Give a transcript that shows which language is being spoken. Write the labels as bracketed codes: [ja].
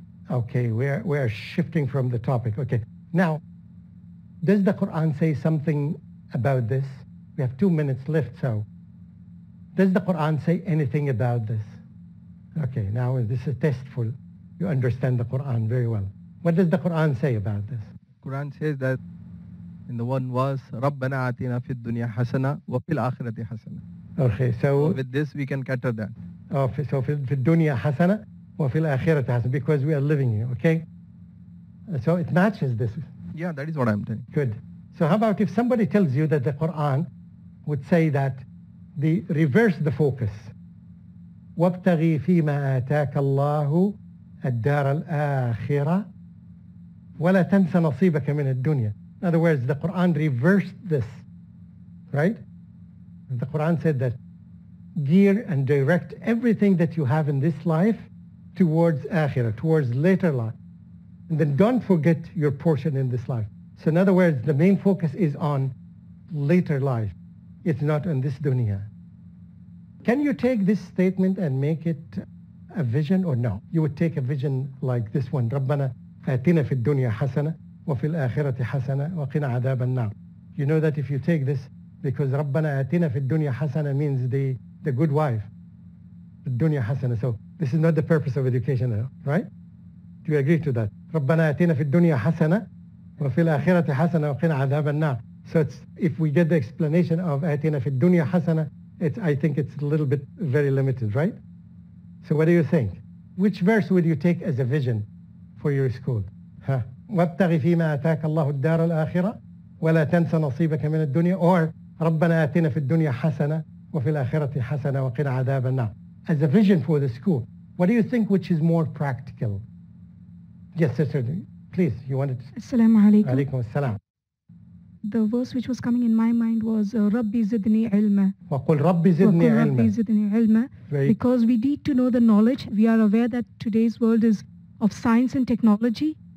[en] Okay, we are shifting from the topic. Okay, now, does the Quran say something about this? We have 2 minutes left, so. Does the Quran say anything about this? Okay, now this is a test for you understand the Quran very well. What does the Quran say about this? Quran says that in the one verse, [ar] رَبَّنَا عَتِنَا فِي الدُّنْيَا حَسَنَا وَفِي الْآخِرَةِ حَسَنَا. [en] Okay, so with this we can cater that. So [ar] فِي الدُّنْيَا حَسَنَا وَفِي الْآخِرَةِ حَسَنَا, [en] because we are living here, okay? So it matches this. Yeah, that is what I'm telling. Good. So how about if somebody tells you that the Quran would say that the reverse the focus. [ar] وَابْتَغِي فِيمَا آتَاكَ اللَّهُ الدَّارَ الْآخِرَةِ وَلَا تَنْسَ نَصِيبَكَ مِنَ الدُّنْيَا. [en] In other words, the Quran reversed this, right? The Quran said that gear and direct everything that you have in this life towards akhirah, towards later life. And then don't forget your portion in this life. So in other words, the main focus is on later life. It's not on this dunya. Can you take this statement and make it a vision or no? You would take a vision like this one, [ar] رَبَّنَا آتِنَا فِي الدُّنْيَا حَسَنَةً وفي الآخرة حسنة وقنا عذاب النار. [en] You know that if you take this, because [ar] ربنا آتنا في الدنيا حسنة [en] means the good wife. [ar] الدنيا حسنة. [en] So this is not the purpose of education, right? Do you agree to that? [ar] ربنا آتنا في الدنيا حسنة وفي الآخرة حسنة وقنا عذاب النار. [en] So it's, if we get the explanation of [ar] آتنا في الدنيا حسنة, [en] I think it's a little bit very limited, right? So what do you think? Which verse would you take as a vision for your school? Huh? [ar] وابتغ فيما آتاك الله الدار الآخرة ولا تنس نصيبك من الدنيا. Or ربنا آتنا في الدنيا حسنة وفي الآخرة حسنة وقنا عذاب النار. [en] As a vision for the school, what do you think which is more practical? Yes, sister, please, you wanted to... [ar] Assalamu alaikum. Alaikum assalam. [en] The verse which was coming in my mind was [ar] Rabbi zidni ilma. وقل ربي زدني علما. وقل ربي زدني علما. [en] Because we need to know the knowledge. We are aware that today's world is of science and technology.